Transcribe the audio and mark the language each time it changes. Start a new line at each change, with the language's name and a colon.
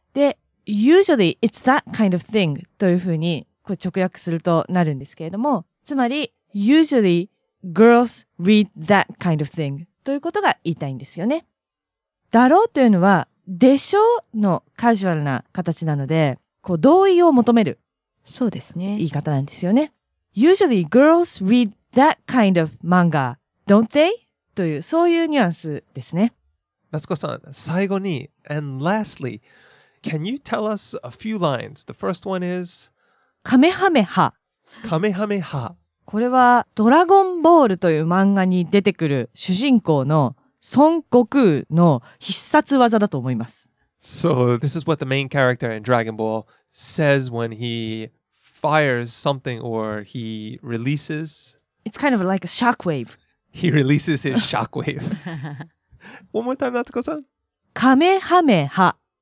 Japanese: で、
English: usually it's that kind of thing
Japanese: というふうにこう直訳するとなるんですけれども、つまり、usually
English: girls read that kind of thing
Japanese: ということが言いたいんですよね。だろうというのはでしょうのカジュアルな形なので、こう同意を求める、そうですね、言い方なんですよね。
English: Usually girls read that kind of manga, don't they?
Japanese: というそういうニュアンスですね。夏子さん、最後に
English: and lastly, can you tell us a few lines? The first one is
Japanese: カメハメハ。カメハメハ。これはドラゴンボールという漫画に出てくる主人公の孫悟空の必殺技だと思います。
English: So this is what the main character in Dragon Ball says when he fires something or he releases. It's kind of like a shockwave. He releases his shockwave. One more time, Natsuko-san. Kamehameha.